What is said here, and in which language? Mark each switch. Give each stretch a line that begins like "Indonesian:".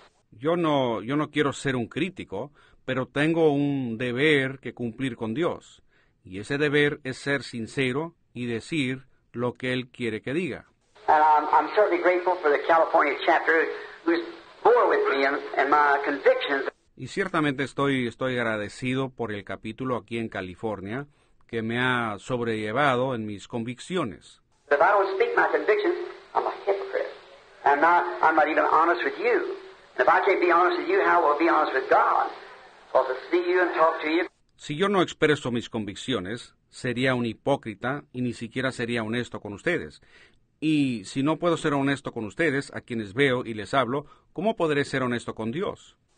Spanish: Yo no quiero ser un crítico, pero tengo un deber que cumplir con Dios. Y ese deber es ser sincero y decir lo que Él quiere que diga.
English: And I'm certainly grateful for the California chapter who's bore with me and my convictions.
Spanish: Y ciertamente estoy agradecido por el capítulo aquí en California que me ha sobrellevado en mis convicciones.
English: But if I don't speak my convictions, I'm a hypocrite. I'm not even honest with you. And if I can't be honest with you, how will I be honest with God? Well, to see you and talk to you.
Spanish: Si yo no expreso mis convicciones, sería un hipócrita y ni siquiera sería honesto con ustedes. Y si no puedo ser honesto con ustedes, a quienes veo y les hablo, ¿cómo podré ser honesto con Dios?